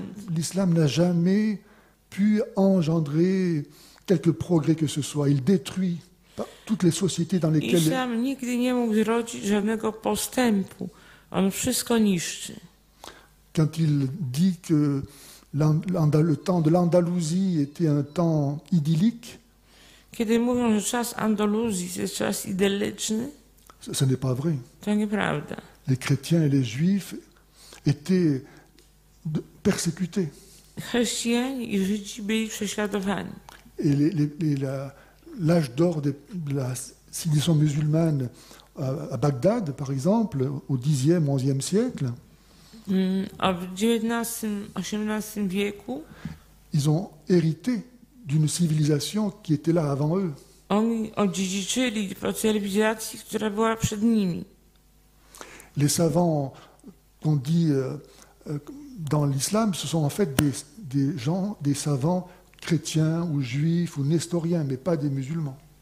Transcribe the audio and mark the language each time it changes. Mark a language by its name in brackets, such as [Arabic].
[French] L'islam n'a jamais pu engendrer quelques progrès que ce soit. Il détruit toutes les sociétés dans lesquelles. [Polish] Islam nigdy nie mógł zrodzić żadnego postępu. On wszystko niszczy. [French] Quand il dit que le temps de l'Andalousie était un temps idyllique. [Polish] Kiedy mówią, że czas Andaluzji jest czas idylliczny, [French] ce n'est pas vrai. [Polish] To nieprawda. [French] Les chrétiens et les juifs étaient persécutés. [Polish] Chrześcijanie i Żydzi byli prześladowani. [French] Et l'âge d'or de la civilisation musulmane à Bagdad, par exemple, au 10e, 11e siècle, [Polish] a w XIX, XVIII wieku, [French] ils ont hérité d'une civilisation qui était là avant eux. [Polish] Oni odziedziczyli po cywilizacji, która była przed nimi. [French] Les savants qu'on dit dans l'islam, ce sont en fait des gens, des savants chrétiens ou juifs ou nestoriens, mais pas des musulmans.